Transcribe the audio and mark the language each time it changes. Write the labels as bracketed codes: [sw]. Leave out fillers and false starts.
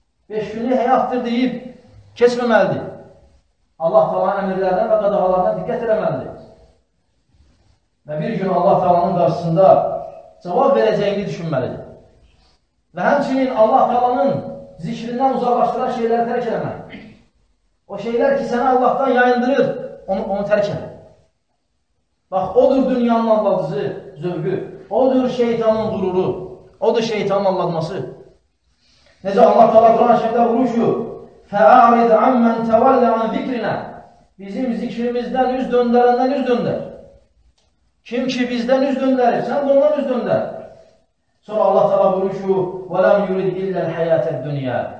[az] 5 günlük həyatdır deyib keçməməlidir. Allah Taala əmrlərdən və qadağalardan diqqət eləməlidir. Və bir gün Allah Taalanın qarşısında cavab verəcəyini düşünməlidir. Və həmçinin Allah Taalanın zikrindən uzaqlaşdıran şeyləri tərk eləmək. O şeylər ki, sənə Allahdan yayındırır, onu tərk eləmək. Bax, odur dünyanın aldatıcı zövqü. Odur şeytanın qururu. Odur şeytanın aldatması. Necə Allah Taala Quran-ı Kerimdə buyurur? [ar] Fa'rid ammen tawalla an zikrina. [az] Bizim zikrimizdən üz döndərəndən üz döndər. Kim ki bizdən üz döndərir, sən də ondan üz döndər. Sonra Allah Taala buyurur: [ar] "Və lam yurid illa al-hayata'd-dunya."